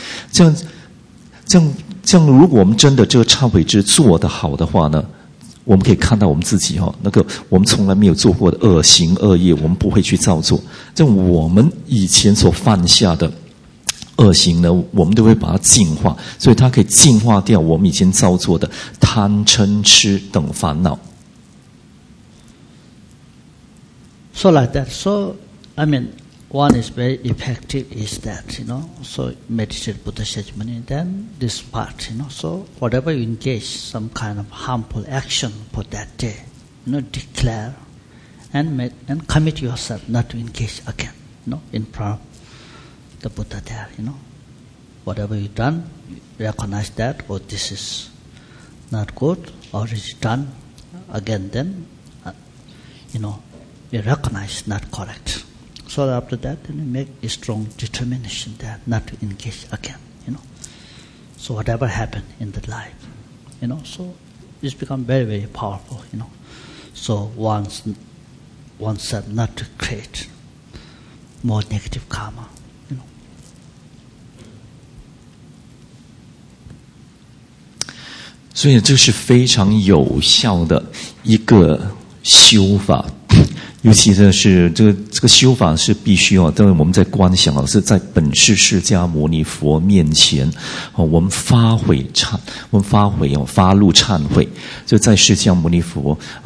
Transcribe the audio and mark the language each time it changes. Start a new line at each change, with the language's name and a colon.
Chinese: 这样如果我们真的这个忏悔之做得好的话呢，我们可以看到我们自己那个我们从来没有做过的恶行恶业，我们不会去造作。这我们以前所犯下的恶行呢，我们都会把它净化，所以它可以净化掉我们以前造作的贪嗔痴等烦恼。
English: So like that. So, I mean, one is very effective is that, you know. So, meditate Buddha Shakyamuni, then this part, you know. So, whatever you engage some kind of harmful action for that day, you know, declare and commit yourself not to engage again, you know, in front of the Buddha there, you know. Whatever you've done, you recognize that, or this is not good, or is it done again, then, you know, you recognize not correct. So after that, then you make a strong determination that not to engage again, you know. So whatever happened in the life, you know, so it's become very, very powerful, you know. So oneself not to create more negative karma, you know.
Chinese: 所以这是非常有效的一个修法，尤其是这个修法是必须因为我们在观想是在本师释迦牟尼佛面前我们发悔忏，我们发悔发怒忏悔，就在释迦牟尼佛